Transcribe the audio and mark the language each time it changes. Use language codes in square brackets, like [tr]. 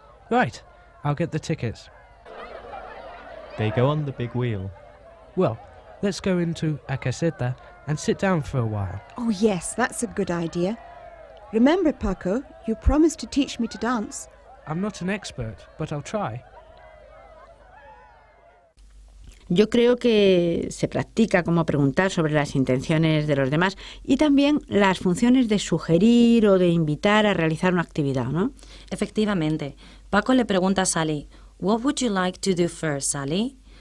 [en] Right, I'll get the tickets. They go on the big wheel. Well, let's go into a caseta and sit down for a while. Oh yes, that's a good idea. Remember, Paco, you promised to teach me to dance. I'm not an expert, but I'll try. [es] Yo creo que se practica cómo preguntar sobre las intenciones de los demás y también las funciones de sugerir o de invitar a realizar una actividad, ¿no? Efectivamente. Paco le pregunta a Sally, [en] "What would you like to do first, Sally?